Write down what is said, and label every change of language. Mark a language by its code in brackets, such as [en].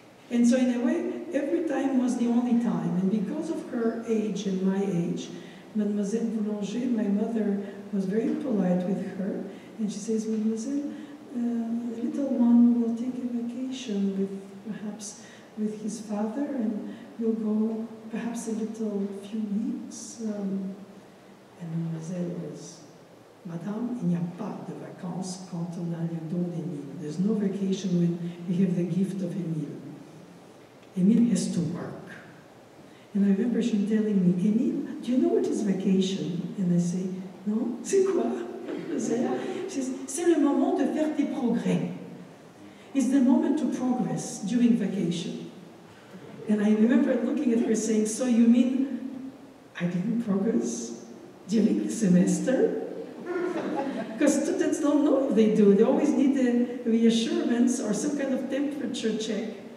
[en] And so in a way, every time was the only time. And because of her age and my age, Mademoiselle Boulanger, my mother, was very polite with her. And she says, Mademoiselle, the little one will take a vacation with, perhaps, with his father, and we'll go perhaps a little few weeks. And Mademoiselle was, [fr] Madame, il n'y a pas de vacances quand on a le don d'Emile. [en] There's no vacation when we have the gift of Emile. Emile has to work. And I remember she telling me, Emile, do you know what is vacation? And I say, no, [fr] c'est quoi? [en] She says, [fr] c'est le moment de faire des progrès. [en] It's the moment to progress during vacation. And I remember looking at her saying, so you mean I didn't progress during the semester? Because students don't know if they do. They always need the reassurance or some kind of temperature check.